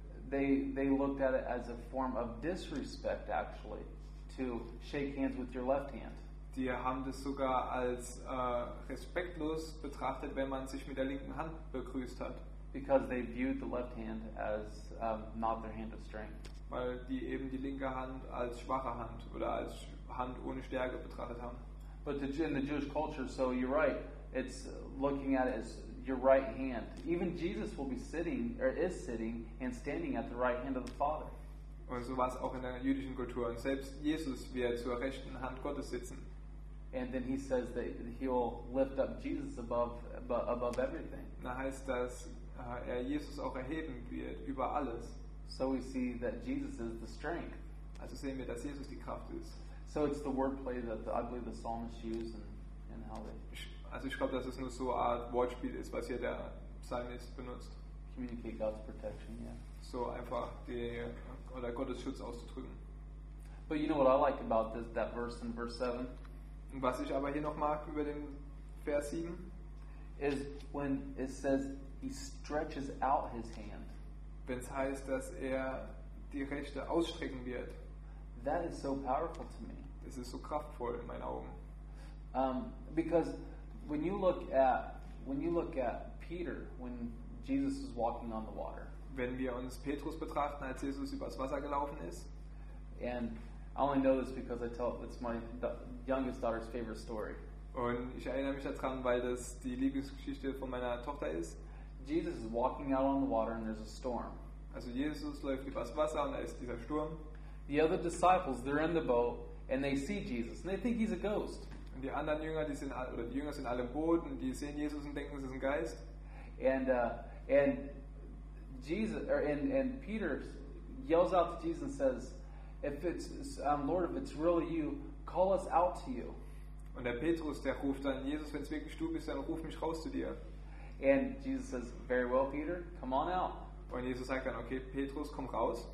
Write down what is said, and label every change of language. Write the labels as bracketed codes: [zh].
[en] they looked at it as a form of disrespect, actually, to shake hands with your left hand. [de] Die haben das sogar als respektlos betrachtet, wenn man sich mit der linken Hand begrüßt hat. [en] Because they viewed the left hand as not their hand of strength. [de] Weil die eben die linke Hand als schwache Hand oder als Hand ohne Stärke betrachtet haben. [en] But in the Jewish culture, so you're right, it's looking at it as your right hand. Even Jesus will be sitting, or is sitting, and standing at the right hand of the Father. [de] Und so war es auch in der jüdischen Kultur. Und selbst Jesus wird zur rechten Hand Gottes sitzen. [en] And then he says that he'll lift up Jesus above everything. [de] Da heißt, dass er Jesus auch erheben wird über alles. [en] So we see that Jesus is the strength. [de] Also sehen wir, dass Jesus die Kraft ist. [en] So it's the wordplay that I believe the psalmist used and how they. [de] Also, ich glaube, dass es nur so eine Art Wortspiel ist, was hier der Psalmist benutzt. [en] Communicate God's protection, yeah. [de] So einfach oder Gottes Schutz auszudrücken. [en] But you know what I like about that verse in verse 7? [de] Und was ich aber hier noch mag über den Vers 7? [en] Is when it says he stretches out his hand. [de] Wenn es heißt, dass er die Rechte ausstrecken wird. [en] That is so powerful to me. [de] Das ist so kraftvoll in meinen Augen. [en] Because when you look at Peter, when Jesus was walking on the water. [de] Wenn wir uns Petrus betrachten, als Jesus übers Wasser gelaufen ist. [en] And I only know this because it's my youngest daughter's favorite story. [de] Und ich erinnere mich daran, weil das die Lieblingsgeschichte von meiner Tochter ist. [en] Jesus is walking out on the water and there's a storm. [de] Also Jesus läuft übers Wasser und da ist dieser Sturm. [en] The other disciples, they're in the boat and they see Jesus and they think he's a ghost. [de] Und die anderen Jünger, die sind alle, oder die Jünger sind alle im Boot und die sehen Jesus und denken, es ist ein Geist. [en] And Peter yells out to Jesus and says, "If it's Lord, if it's really you, call us out to you." [de] Und der Petrus, der ruft dann, Jesus, wenn es wirklich du bist, dann ruf mich raus zu dir. [en] And Jesus says, "Very well, Peter, come on out." [de] Und Jesus sagt dann, okay, Petrus, komm raus.